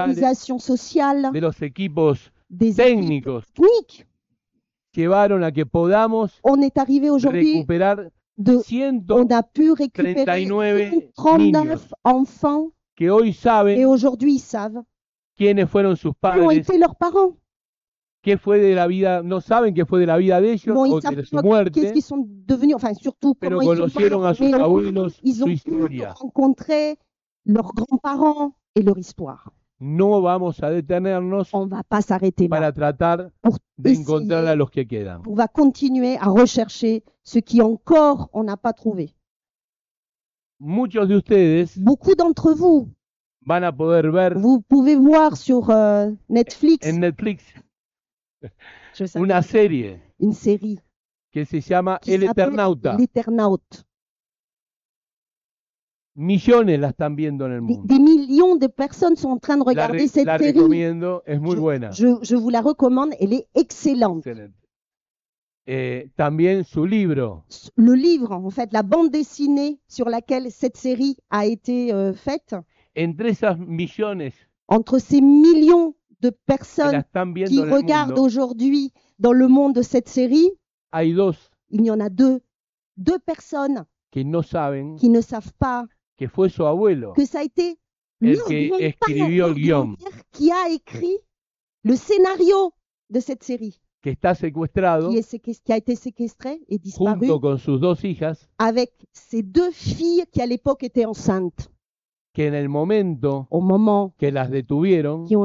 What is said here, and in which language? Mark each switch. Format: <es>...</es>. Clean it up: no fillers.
<fr>organisations sociales,</fr> <es>de los equipos</es> <fr>des</fr> <es>técnicos,</es> <fr>équipes techniques,</fr> <es>llevaron a que podamos,</es> <fr>on est arrivé aujourd'hui,</fr> <es>recuperar</es> <fr>de, on a pu récupérer 139 enfants</fr> <es>que hoy saben,</es> <fr>et aujourd'hui ils savent</fr> <es>quiénes fueron sus padres. ¿Qué fueron</es> <fr>leurs parents?</fr> <es>¿Qué fue de la vida? No saben qué fue de la vida de ellos,</es> <fr>bon,</fr> <es>o de su muerte.</es> <fr>Qu'est-ce qu'ils sont devenus, enfin, surtout,</fr> <es>pero conocieron</es> <fr>ils sont</fr> <es>a sus abuelos,</es> <fr>ils ont</fr> <es>su historia.</es> <fr>Rencontré leurs grands-parents et leur histoire.</fr> <es>No vamos a detenernos</es> <fr>on va pas s'arrêter</fr> <es>para</es> <fr>là</fr> <es>tratar</es> <fr>pour</fr> <es>de encontrar a los que quedan.</es> <fr>On va continuer à rechercher ce qui encore on n'a pas trouvé.</fr> <es>Muchos de ustedes,</es> <fr>beaucoup d'entre vous,</fr> <es>van a poder ver,</es> <fr>vous pouvez voir sur Netflix,</fr> <es>en Netflix una serie,</es> <fr>une série</fr> <es>que se llama El Eternauta.</es> <fr>L'Eternaut.</fr> <es>Millones la están viendo en el mundo.</es> <fr>Des millions de personnes sont en train de regarder cette série.</fr> <es>La recomiendo, es muy buena.</es> <fr>Je vous la recommande, elle est excellente.</fr> <es>También su libro.</es> <fr>Le livre, en fait, la bande dessinée sur laquelle cette série a été faite.</fr> <es>Entre esas millones.</es> <fr>Entre ces millions de personnes qui regardent</fr> <es>mundo,</es> <fr>aujourd'hui dans le monde de cette série.</fr> <es>Hay dos.</es> <fr>Il y en a deux. Deux personnes.</fr> <es>Que no saben,</es> <fr>qui ne savent pas</fr> <es>que, fue su abuelo,</es> <fr>que ça a été</fr> <es>el que escribió el guión,</es> <fr>qui a écrit le scénario de cette série,</fr> <es>que está secuestrado,</es> <fr>qui a été séquestré et disparu,</fr> <es>junto con sus dos hijas,</es> <fr>avec ses deux filles qui à l'époque étaient enceintes,</fr> <es>que en el momento,</es> <fr>au moment</fr> <es>que las detuvieron,</es>